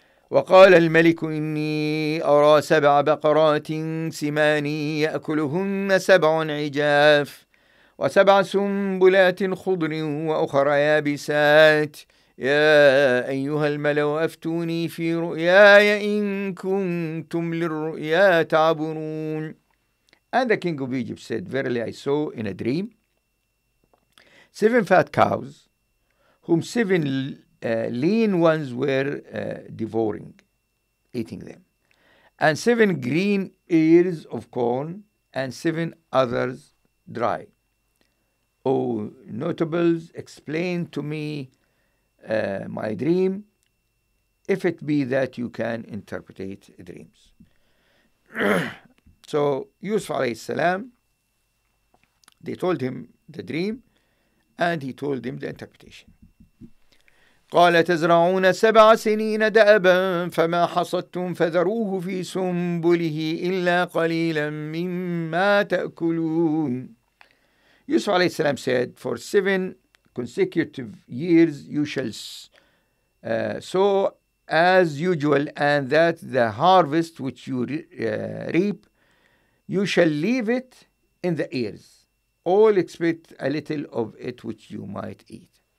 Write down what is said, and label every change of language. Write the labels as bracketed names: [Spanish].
[Arabic] وقال الملك إني أرى سبع بقرات سمان يأكلهن سبع عجاف وسبع سنبلات خضر وأخرى يابسات يا أيها الملأ أفتوني في رؤياي إن كنتم للرؤيا تعبرون. [English] And the king of Egypt said, verily I saw in a dream seven fat cows, whom seven lean ones were devouring, eating them, and seven green ears of corn, and seven others dry. O notables, explain to me my dream, if it be that you can interpret dreams. So Yusuf alayhi salam, they told him the dream, and he told him the interpretation. [Arabic] قال تزرعون سبع سنين دأبا فما حصدتم فذروه في سنبله إلا قليلا مما تأكلون. [English] Yusuf alayhi salam said, for seven consecutive years you shall sow as usual, and that the harvest which you reap, you shall leave it in the ears. All expect a little of it which you might eat.